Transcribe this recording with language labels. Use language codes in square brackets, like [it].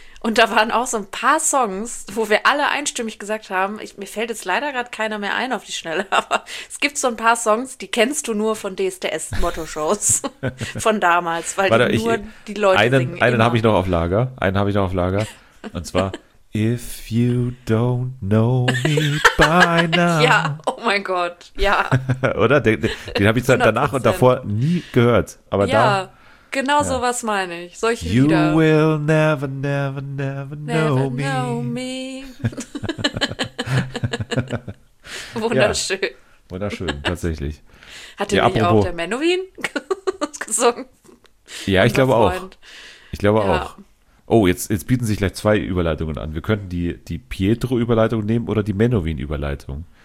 [de] Und da waren auch so ein paar Songs, wo wir alle einstimmig gesagt haben, mir fällt jetzt leider gerade keiner mehr ein auf die Schnelle, aber es gibt so ein paar Songs, die kennst du nur von DSDS-Motto-Shows von damals, weil die Leute einen singen. Einen habe ich noch auf Lager. Und zwar, [en] if you don't know me by now. [de] Ja, oh mein Gott, ja. Oder? Den habe ich dann danach und davor nie gehört. Aber ja, da, genau ja. Sowas meine ich. Solche [en] you [de] Lieder. [en] You will never, never, never know me. Never know me. [de] Wunderschön. Ja, wunderschön, tatsächlich. Hat der nicht auch der Menuhin gesungen? Ja, ich glaube auch. Ich glaube auch. Oh, jetzt bieten sich gleich zwei Überleitungen an. Wir könnten die Pietro-Überleitung nehmen oder die Menuhin-Überleitung.